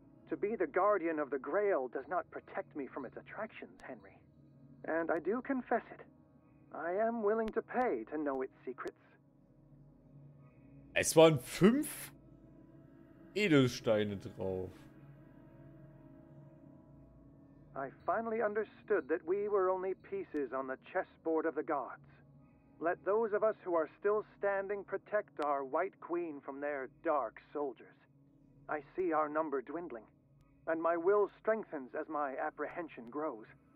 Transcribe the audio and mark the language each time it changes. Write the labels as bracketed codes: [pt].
[en] To be the guardian of the Grail does not protect me from its attractions, Henry. And I do confess it. I am willing to pay to know its secrets. [de] Es waren 5 Edelsteine drauf. [en] I finally understood that we were only pieces on the chessboard of the gods. Let those of us who are still standing protect our White Queen from their dark soldiers. I see our number dwindling, and my will strengthens as my apprehension grows.